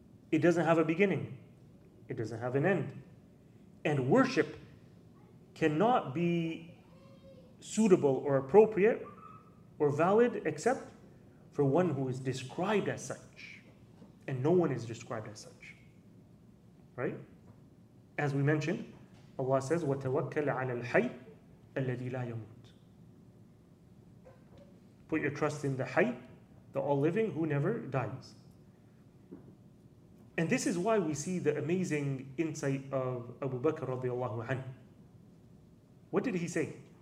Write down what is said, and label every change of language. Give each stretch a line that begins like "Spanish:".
English: It doesn't have a beginning. It doesn't have an end. And worship cannot be suitable or appropriate or valid except for one who is described as such. And no one is described as such. Right? As we mentioned, Allah says,
Arabic: وَتَوَكَّلْ عَلَى الْحَيِّ الَّذِي لَا يَمُوتُ.
English: Put your trust in the Hayy, the all-living, who never dies. And this is why we see the amazing insight of Abu Bakr radiallahu anhu. What did he say?